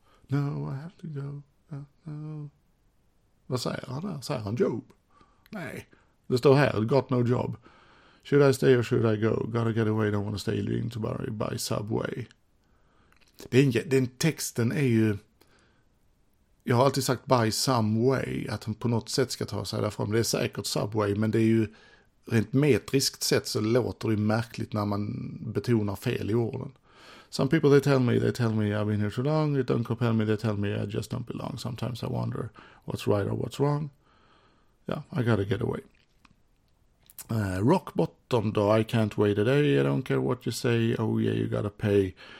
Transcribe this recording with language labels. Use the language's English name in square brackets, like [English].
[English] No, I have to go, got no... [Swedish] Vad säger han där? Säger han job? Nej, det står här, got no job. [English] Should I stay or should I go? Gotta get away, don't want to stay living tomorrow by subway. [Swedish] Den texten är ju... Jag har alltid sagt [English] by some way, [Swedish] att han på något sätt ska ta sig därifrån. Det är säkert subway, men det är ju rent metriskt sett så låter det märkligt när man betonar fel i orden. [English] Some people they tell me I've been here too long, they don't compel me, they tell me I just don't belong. Sometimes I wonder what's right or what's wrong. Yeah, I gotta get away. Rock bottom though, I can't wait a day, I don't care what you say, oh yeah you gotta pay.